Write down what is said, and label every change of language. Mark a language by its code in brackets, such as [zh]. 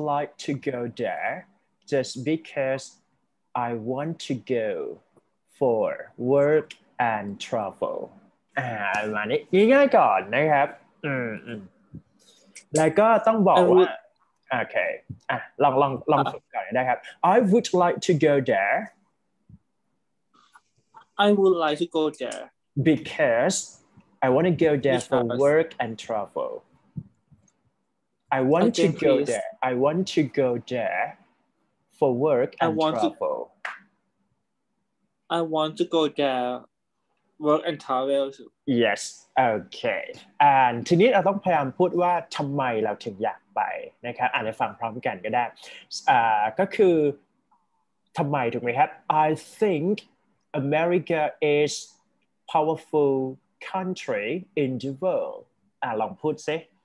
[en] like to go there just because I want to go for work and travel [th] มานี่ง่ายก่อนนะครับ [en] แล้วก็ต้องบอกว่าโอเคลองฝึกก่อนนะครับ I would like to go there I would like to go there because I want to go there for work and travel I want to go there I want to go there for work and travel I want to go there work and travel yes okay and [th] ทีนี้เราต้องพยายามพูดว่าทำไมเราถึงอยากไปนะครับอ่านให้ฟังพร้อมกันก็ได้ก็คือทำไมถูกไหมครับ [en] I think America is powerful country in the world [th] ลองพูดสิ